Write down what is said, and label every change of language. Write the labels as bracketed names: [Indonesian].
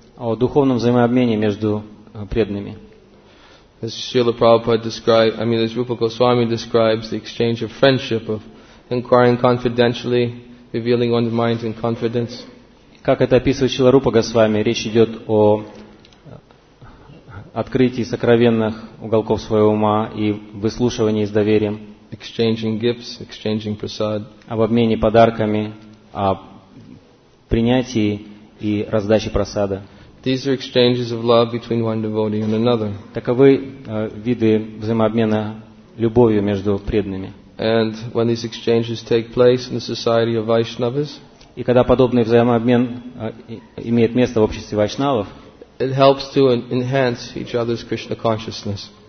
[Russian] О духовном взаимообмене между преданными. [English] As Srila Prabhupada as Rupa Goswami describes, the exchange of friendship, of inquiring confidentially, revealing one's mind in confidence. [Russian] Как это описывает Шрила Рупа Госвами, речь идет о открытии сокровенных уголков своего ума и выслушивании с доверием. [English] exchanging gifts, exchanging prasad. [Russian] Об обмене подарками, о принятии и раздаче прасада. [English] These are exchanges of love between one devotee and another. [Russian] Таковы виды взаимообмена любовью между преданными. [English] And when these exchanges take place in the society of Vaishnavas, [Russian] и когда подобный взаимообмен имеет место в обществе вайшнавов, [English] it helps to enhance each other's Krishna consciousness.